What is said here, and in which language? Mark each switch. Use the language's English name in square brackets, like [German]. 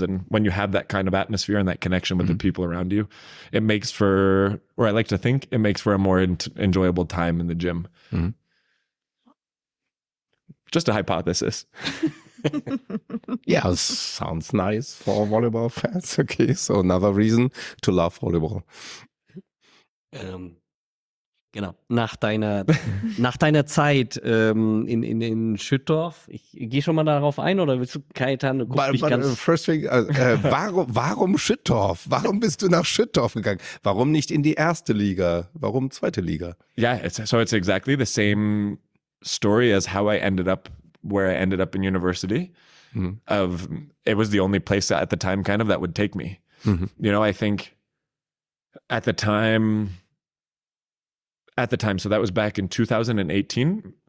[English] And when you have that kind of atmosphere and that connection with the people around you, it makes for, or I like to think it makes for a more enjoyable time in the gym. Mm-hmm. Just a hypothesis. Yeah, sounds nice for volleyball fans. Okay, so another reason to love volleyball. [German] Genau, nach deiner Zeit in Schüttorf, ich gehe schon mal darauf ein, oder willst du, Kaitan, du guckst mich ganz... [English] First thing, [German] warum [English] Schüttorf? [German] Warum bist du nach Schüttorf gegangen? Warum nicht in die erste Liga? Warum zweite Liga? [English] It's exactly the same story as how I ended up where I ended up in university. Mm-hmm. It was the only place at the time kind of that would take me. Mm-hmm. You know, I think at the time, so that was back in 2018.